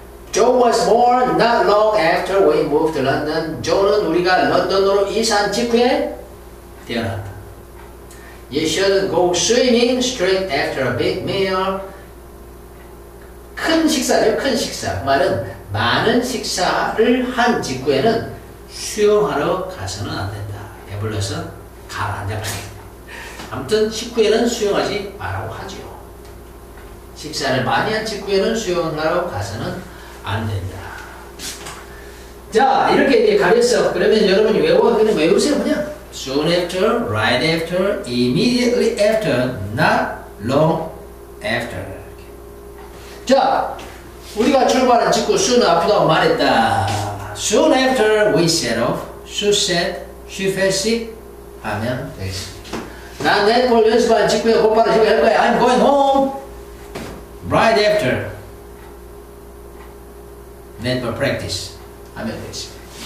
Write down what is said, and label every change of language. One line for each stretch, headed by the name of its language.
English: Joe was born not long after we moved to London.
Korean: Joe는 우리가 런던으로 이사한 직후에 태어났다.
English: You shouldn't go swimming straight after a big meal.
Korean: 큰 식사죠, 큰 식사. 말은 많은 식사를 한 직후에는 수영하러 가서는 안 된다. 배불러서 가라 안 잡아야겠다. 아무튼 식후에는 수영하지 말라고 하죠. 식사를 많이 한 직후에는 수영하러 가서는 안 된다. 자, 이렇게 이제 가렸어. 그러면 여러분이 그냥 외우세요, 그냥.
English: Soon after, right after, immediately after, not long after.
Korean: 자, 우리가 출발한 직후 Sue는 아프다고 말했다.
English: Soon after we set off, Sue said she felt sick.
Korean: 하면 되겠습니다. 난 넷볼 연습한 직후에 곧바로 집에 갈 거야.
English: I'm going home. Right after netball practice.
Korean: 하면 되겠습니다.